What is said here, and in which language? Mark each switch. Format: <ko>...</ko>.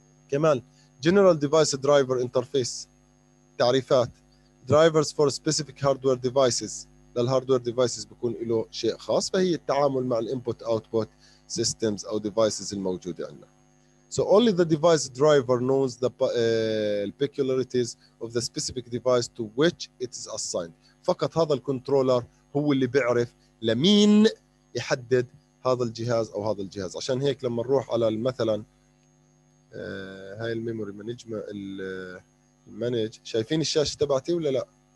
<ar>كمان</ar> <en>general device driver interface</en> <ar>تعريفات</ar> <en>drivers for specific hardware devices</en> <ar>للهاردوير ديفايسز بيكون له شيء خاص فهي التعامل مع الانبوت اوتبوت سيستمز او ديفايسز الموجوده عندنا.</ar> <en>So only the device driver knows the peculiarities of the specific device to which it is assigned.</en> <ar>فقط هذا الكنترولر هو اللي بيعرف لمين يحدد هذا الجهاز او هذا الجهاز. عشان هيك لما نروح على مثلا هاي الميموري مانجمنت المانج. شايفين الشاشه تبعتي ولا لا؟</ar>